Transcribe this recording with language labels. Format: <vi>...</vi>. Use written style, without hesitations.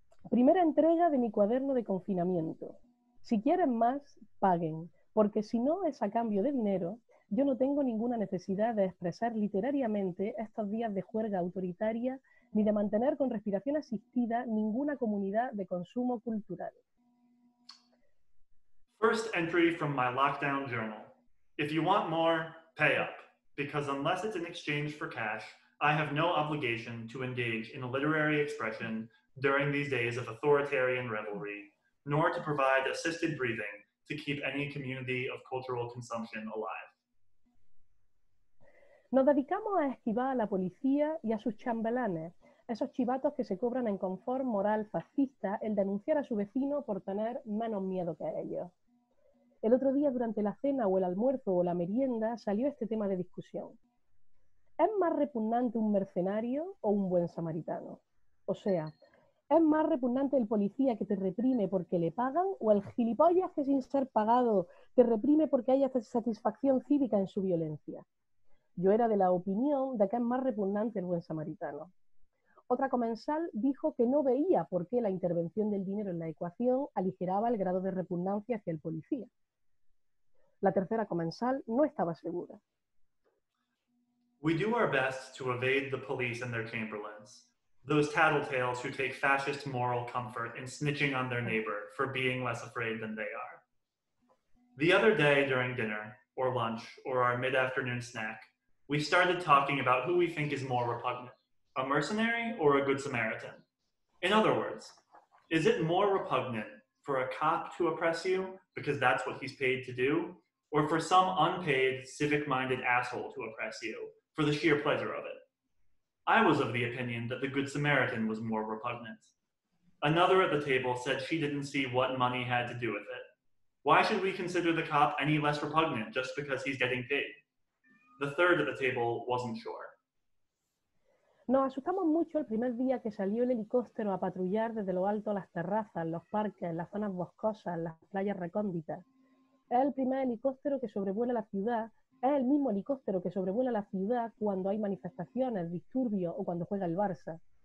<es>Primera entrega de mi cuaderno de confinamiento. Si quieren más, paguen, porque si no es a cambio de dinero, yo no tengo ninguna necesidad de expresar literariamente estos días de juerga autoritaria ni de mantener con respiración asistida ninguna comunidad de consumo cultural.</es> <en>First entry from my lockdown journal. If you want more, pay up, because unless it's in exchange for cash, I have no obligation to engage in a literary expression during these days of authoritarian revelry, nor to provide assisted breathing to keep any community of cultural consumption alive.</en> <es>Nos dedicamos a esquivar a la policía y a sus chambelanes, esos chivatos que se cobran en confort moral fascista el denunciar a su vecino por tener menos miedo que ellos. El otro día, durante la cena o el almuerzo o la merienda, salió este tema de discusión. ¿Es más repugnante un mercenario o un buen samaritano? O sea, ¿es más repugnante el policía que te reprime porque le pagan o el gilipollas que sin ser pagado te reprime porque hay satisfacción cívica en su violencia? Yo era de la opinión de que es más repugnante el buen samaritano. Otra comensal dijo que no veía por qué la intervención del dinero en la ecuación aligeraba el grado de repugnancia hacia el policía. La tercera comensal no estaba segura.</es> <en>We do our best to evade the police and their chamberlains. Those tattletales who take fascist moral comfort in snitching on their neighbor for being less afraid than they are. The other day during dinner, or lunch, or our mid-afternoon snack, we started talking about who we think is more repugnant, a mercenary or a good Samaritan. In other words, is it more repugnant for a cop to oppress you because that's what he's paid to do, or for some unpaid, civic-minded asshole to oppress you for the sheer pleasure of it? I was of the opinion that the Good Samaritan was more repugnant. Another at the table said she didn't see what money had to do with it. Why should we consider the cop any less repugnant just because he's getting paid? The third at the table wasn't sure.</en> <es>Nos asustamos mucho el primer día que salió el helicóptero a patrullar desde lo alto las terrazas, los parques, las zonas boscosas, las playas recónditas. Es el primer helicóptero que sobrevuela la ciudad. Es el mismo helicóptero que sobrevuela la ciudad cuando hay manifestaciones, disturbios o cuando juega el Barça.</es>